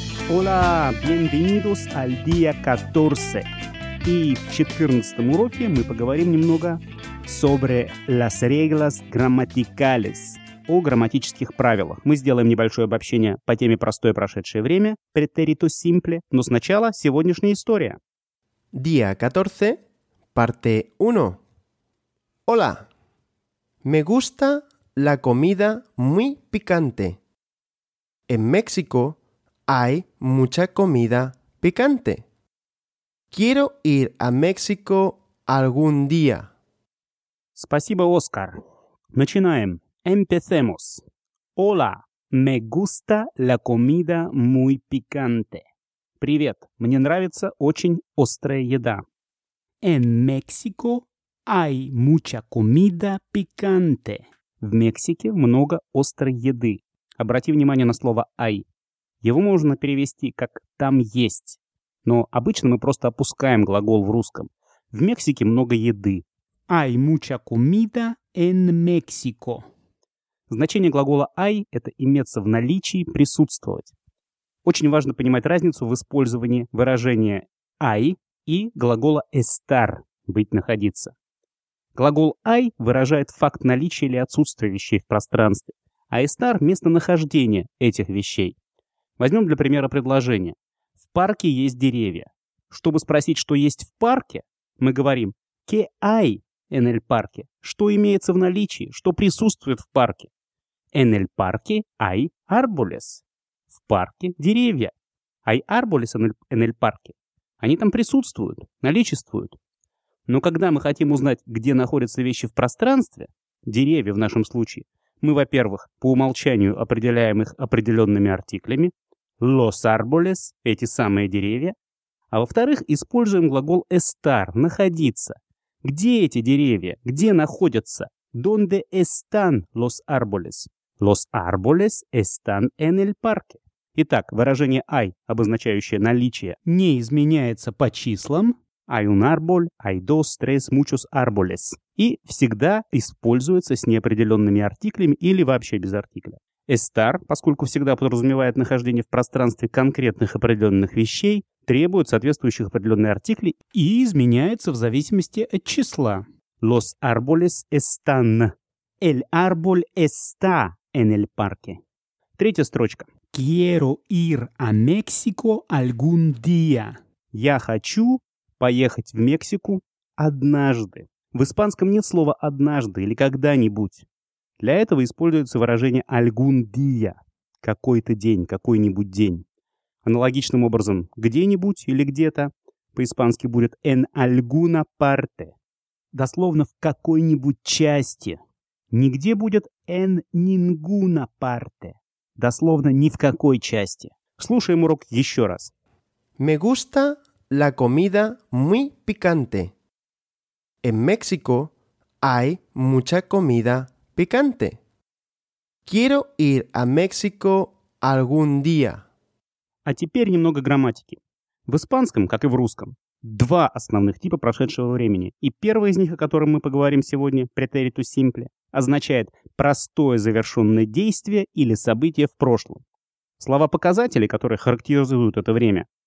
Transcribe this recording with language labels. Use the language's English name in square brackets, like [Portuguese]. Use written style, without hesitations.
[Spanish] Hola, bienvenidos al día 14. [Russian] И в 14 уроке мы поговорим немного [Spanish] sobre las reglas grammaticales, [Russian] о грамматических правилах. Мы сделаем небольшое обобщение по теме «Простое прошедшее время», «Претерито симпле», но сначала сегодняшняя история. [Spanish] Día 14, parte 1. Hola, me gusta la comida muy picante. En México hay mucha comida picante. Quiero ir a México algún día. [Russian] Спасибо, Оскар. Начинаем. [Spanish] Empecemos. Hola, me gusta la comida muy picante. [Russian] Привет, мне нравится очень острая еда. [Spanish] En México hay mucha comida picante. [Russian] В Мексике много острой еды. Обрати внимание на слово «ай». Его можно перевести как «там есть». Но обычно мы просто опускаем глагол в русском. В Мексике много еды. [Spanish] Hay mucha comida en México. [Russian] Значение глагола «ай» — это «иметься в наличии», «присутствовать». Очень важно понимать разницу в использовании выражения «ай» и глагола «estar» — «быть, находиться». Глагол «ай» выражает факт наличия или отсутствия вещей в пространстве, а «estar» — местонахождение этих вещей. Возьмем для примера предложение. В парке есть деревья. Чтобы спросить, что есть в парке, мы говорим [Spanish] «que hay en el parque» [Russian] — что имеется в наличии, что присутствует в парке. [Spanish] En el parque hay árboles. [Russian] В парке деревья. [Spanish] Hay árboles en el parque. [Russian] Они там присутствуют, наличествуют. Но когда мы хотим узнать, где находятся вещи в пространстве, деревья в нашем случае, мы, во-первых, по умолчанию определяем их определенными артиклями. [Spanish] Los árboles [Russian] — эти самые деревья. А во-вторых, используем глагол estar — находиться. Где эти деревья? Где находятся? [Spanish] ¿Dónde están los árboles? Los árboles están en el parque. [Russian] Итак, выражение hay, обозначающее наличие, не изменяется по числам. [Spanish] Hay un árbol, hay dos, tres, muchos árboles. [Russian] И всегда используется с неопределенными артиклями или вообще без артикля. Estar, поскольку всегда подразумевает нахождение в пространстве конкретных определенных вещей, требует соответствующих определенных артиклей и изменяется в зависимости от числа. [Spanish] Los árboles están. El árbol está en el parque. [Russian] Третья строчка. [Spanish] Quiero ir a México algún día. [Russian] Я хочу поехать в Мексику однажды. В испанском нет слова «однажды» или «когда-нибудь». Для этого используется выражение [Spanish] «algún día» [Russian] — «какой-то день», «какой-нибудь день». Аналогичным образом «где-нибудь» или «где-то» по-испански будет [Spanish] «en alguna parte». [Russian] Дословно «в какой-нибудь части». Нигде будет [Spanish] «en ninguna parte». [Russian] Дословно «ни в какой части». Слушаем урок еще раз. [Spanish] Me gusta la comida muy picante. En México hay mucha comida picante. Quiero ir a México algún día. [Russian] А теперь немного грамматики. В испанском, как и в русском, два основных типа прошедшего времени. И первый из них, о котором мы поговорим сегодня, претерито симпле, означает простое завершенное действие или событие в прошлом. Слова-показатели, которые характеризуют это время.